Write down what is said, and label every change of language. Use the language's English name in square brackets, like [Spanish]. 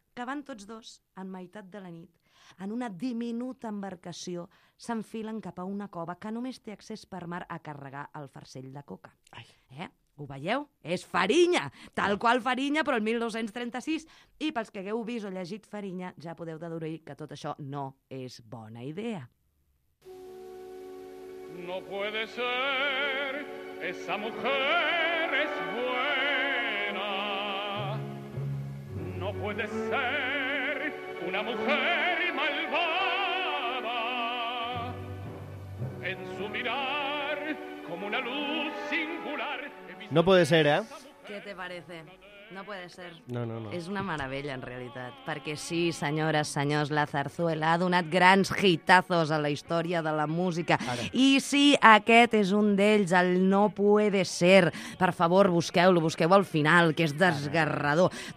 [Catalan] Que van tots dos, en meitat de la nit, en una diminuta embarcació, s'enfilen cap a una cova que només té accés per mar a carregar el farcell de coca. Ai. Ho veieu? És farinya! Tal qual farinya, però el 1236. I pels que hagueu vist o llegit farinya, ja podeu deduir que tot això no és bona idea. [Spanish] No puede ser, esa mujer es buena. No puede ser, una mujer malvada. En su mirar, como una luz singular... No puede ser, ¿eh? ¿Qué te parece? No puede ser. No, no, no. [Catalan] És una meravella, en realitat. Perquè sí, senyores, senyors, la zarzuela ha donat grans hitazos a la història de la música. Ara. I sí, aquest és un d'ells, el No puede ser. Per favor, busqueu-lo, busqueu al final, que és desgarrador. Ara.